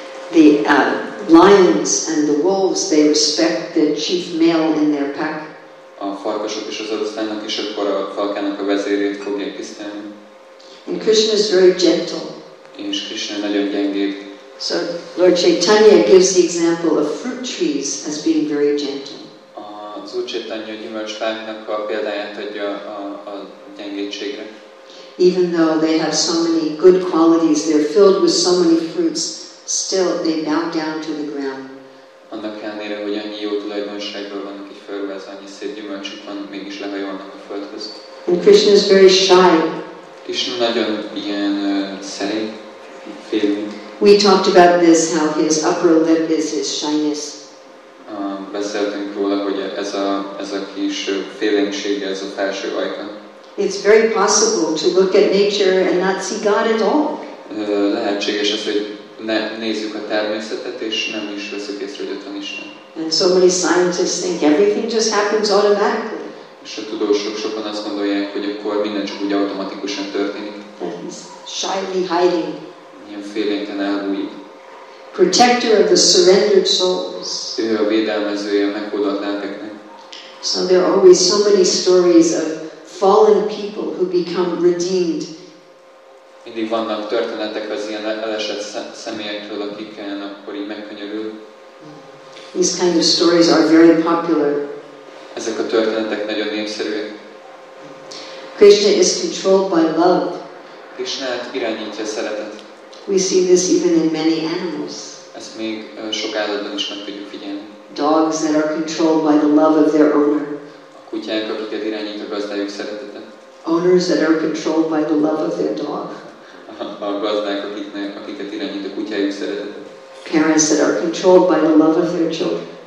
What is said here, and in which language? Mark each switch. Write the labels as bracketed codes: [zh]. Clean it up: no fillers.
[en] The lions and the wolves, they respect the chief male in their pack. [hu] A farkasok és az oroszlánok is akkor a falkának a vezérét fogják tisztelni. [en] And Krishna is very gentle. [hu] És Krishna nagyon gyengéd. [en] So Lord Chaitanya gives the example of fruit trees as being very gentle. [hu] Az Úr Chaitanya gyümölcsfáknak a példáját adja a gyengétségre. [en] Even though they have so many good qualities, they're filled with so many fruits, still they bow down to the ground. [hu] Annak ellenére, hogy annyi jó tulajdonságból van, aki fölvez, annyi szép gyümölcsük van, mégis lehajolnak a földhöz. [en] And Krishna is very shy. [hu] Krishna nagyon ilyen szerény, félő. [en] We talked about this, how his upper lip is his shyness. [hu] Beszéltünk róla, hogy ez a kis félénksége, ez a felső ajka. [en] It's very possible to look at nature and not see God at all. [hu] Lehetséges az, hogy nézzük a természetet, és nem is veszük észre, hogy ott van Isten. [en] And so many scientists think everything just happens automatically. [hu] És a tudósok sokan azt gondolják, hogy akkor minden csak úgy automatikusan történik. [en] Shyly hiding. [hu] Ilyen félénken elbújik. [en] Protector of the surrendered souls. [hu] Ő a védelmezője a meghódolt lelkeknek. [en] So there are always so many stories of fallen people who become redeemed. [hu] Mindig vannak történetek az ilyen elesett személyektől, akikkel akkor így megkönnyörül. [en] These kind of stories are very popular. [hu] Ezek a történetek nagyon népszerűek. [en] Krishna is controlled by love. [hu] Krishnát irányítja a szeretet. [en] We see this even in many animals. [hu] Ezt még sok állatban is meg tudjuk figyelni. [en] Dogs that are controlled by the love of their owner. [hu] A kutyák, akiket irányít a gazdájuk szeretete. [en] Owners that are controlled by the love of their dog. [hu] A gazdák, akiket irányít a kutyájuk szeretete. [en] Parents that are controlled by the love of their children.